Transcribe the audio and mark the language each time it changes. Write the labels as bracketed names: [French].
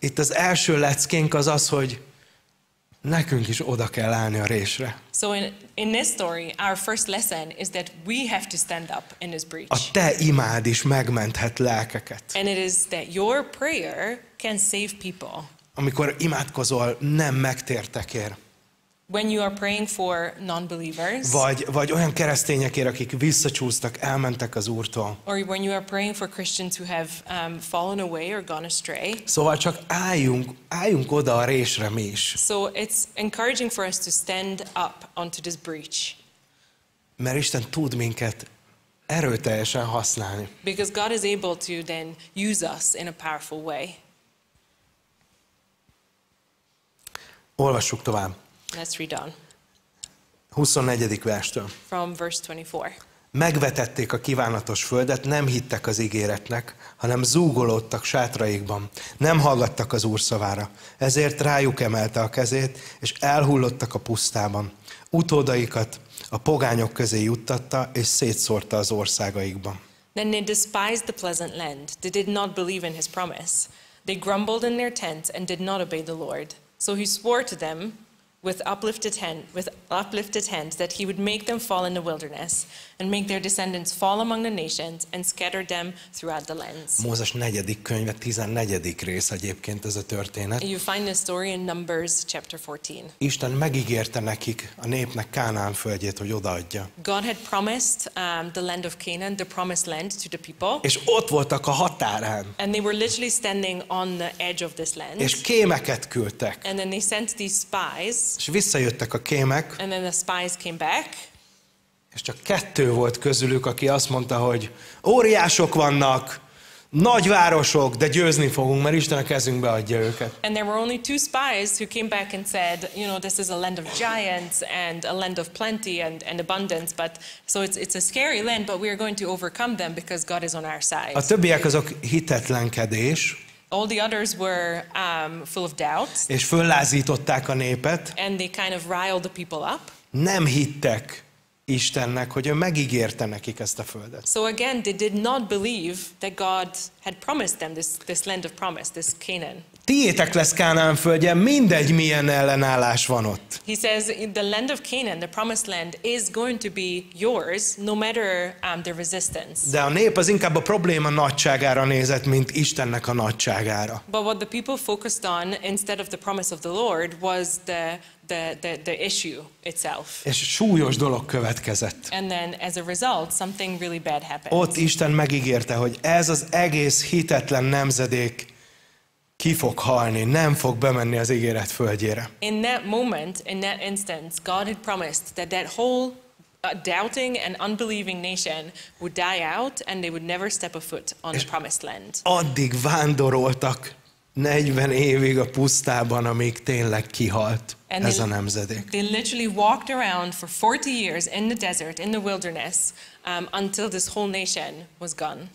[Hungarian] Itt az első leckénk az az, hogy nekünk is oda kell állni a résre. [English] So in this story, our first lesson is that we have to stand up in this breach. [Hungarian] A te imád is megmenthet lelkeket. [English] And it is that your prayer can save people. [Hungarian] Amikor imádkozol nem megtértekért. [English] When you are praying for non-believers, [Hungarian] vagy olyan keresztényekért, akik visszacsúsztak, elmentek az Úrtól. [English] Or when you are praying for Christians who have fallen away or gone astray. [Hungarian] Szóval csak álljunk oda a résre mi is. [English] So it's encouraging for us to stand up onto this breach. [Hungarian] Mert Isten tud minket erőteljesen használni. [English] Because God is able to then use us in a powerful way. [Hungarian] Olvassuk tovább. [English] Let's read on. [Hungarian] 24. verstől. [English] From verse 24. [Hungarian] Megvetették a kívánatos földet, nem hittek az ígéretnek, hanem zúgolódtak sátraikban, nem hallgattak az Úr szavára. Ezért rájuk emelte a kezét, és elhullottak a pusztában. Utódaikat a pogányok közé juttatta, és szétszórta az országaikban. [English] Then they despised the pleasant land. They did not believe in his promise. They grumbled in their tents and did not obey the Lord. So he swore to them, with uplifted hand, that he would make them fall in the wilderness, and make their descendants fall among the nations, and scatter them throughout the lands. [Hungarian] Mózes 4. könyve, 14. rész egyébként ez a történet. [English] You find this story in Numbers chapter 14. [Hungarian] Isten megígérte nekik, a népnek Kánaán földjét, hogy odaadja. [English] God had promised the land of Canaan, the promised land to the people. [Hungarian] És ott voltak a határán. [English] And they were literally standing on the edge of this land. [Hungarian] És kémeket küldtek. [English] And then they sent these spies. [Hungarian] És visszajöttek a kémek. [English] And then the spies came back. [Hungarian] És csak kettő volt közülük, aki azt mondta, hogy óriások vannak, nagy városok, de győzni fogunk, mert Isten a kezünkbe adja őket. [English] And there were only two spies who came back and said, you know, this is a land of giants and a land of plenty and abundance, but so it's a scary land, but we are going to overcome them because God is on our side. [Hungarian] A többiek azok hitetlenkedés. [English] All the others were full of doubt. [Hungarian] És föllázították a népet. [English] And they kind of riled the people up. [Hungarian] Nem hittek Istennek, hogy ő megígérte nekik ezt a földet. [English] So again, they did not believe that God had promised them this land of promise, this Canaan. [Hungarian] Tiétek lesz Kánaán földje, mindegy milyen ellenállás van ott. [English] He says the land of Canaan, the promised land, is going to be yours, no matter the resistance. [Hungarian] De a nép az inkább a probléma nagyságára nézett, mint Istennek a nagyságára. [English] But what the people focused on instead of the promise of the Lord was the issue itself. [Hungarian] És súlyos dolog következett. [English] And then as a result, something really bad happened. [Hungarian] Ott Isten megígérte, hogy ez az egész hitetlen nemzedék ki fog halni, nem fog bemenni az ígéret földjére. [English] In that moment, in that instance, God had promised that whole doubting and unbelieving nation would die out and they would never step a foot on the promised land. [Hungarian] Addig vándoroltak 40 évig a pusztában, amíg tényleg kihalt ez a nemzedék. [English] They literally walked around for 40 years in the desert, in the wilderness, until this whole nation was gone.